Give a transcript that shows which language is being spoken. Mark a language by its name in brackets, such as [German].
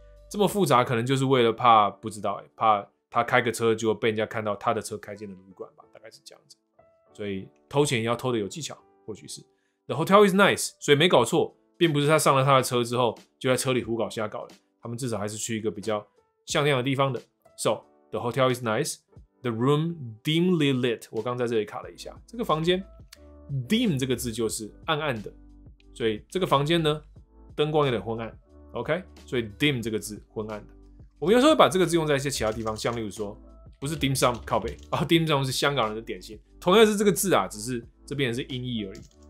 [Chinese] 这么复杂，可能就是为了怕不知道，怕他开个车就被人家看到他的车开进了旅馆吧，大概是这样子。所以偷钱要偷的有技巧，或许是。 [English] The hotel is nice， [Chinese] 所以没搞错。并不是他上了他的车之后就在车里胡搞瞎搞了，他们至少还是去一个比较像样的地方的。 [English] So the hotel is nice, the room dimly lit. [Chinese] 我刚在这里卡了一下，这个房间 dim 这个字就是暗暗的，所以这个房间呢灯光有点昏暗。 OK， 所以 dim 这个字昏暗的。我们有时候会把这个字用在一些其他地方，像例如说不是 dim sum 靠北，而 dim sum 是香港人的点心，同样是这个字啊，只是这边是音译而已。